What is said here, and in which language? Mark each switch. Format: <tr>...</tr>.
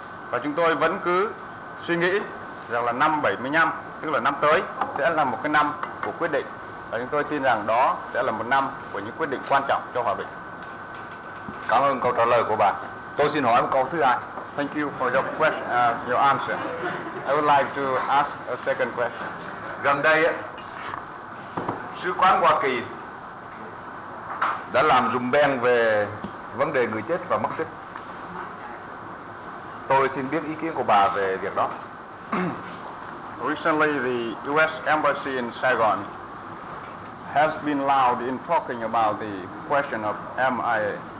<vi>Và chúng tôi vẫn cứ suy nghĩ rằng là năm 75, tức là năm tới, sẽ là một cái năm của quyết định. Và chúng tôi tin rằng đó sẽ là một năm của những quyết định quan trọng cho hòa bình. Cảm ơn câu trả lời của bạn. Tôi xin hỏi một câu thứ hai.</vi> <en>Thank you for your question, your answer. I would like to ask a second question.</en> <vi>Gần đây, Sứ quán Hoa Kỳ đã làm rùm beng về vấn đề người chết và mất tích. Tôi xin biết ý kiến của bà về việc đó.</vi> <en>Recently, the U.S. Embassy in Saigon has been loud in talking about the question of MIA.</en>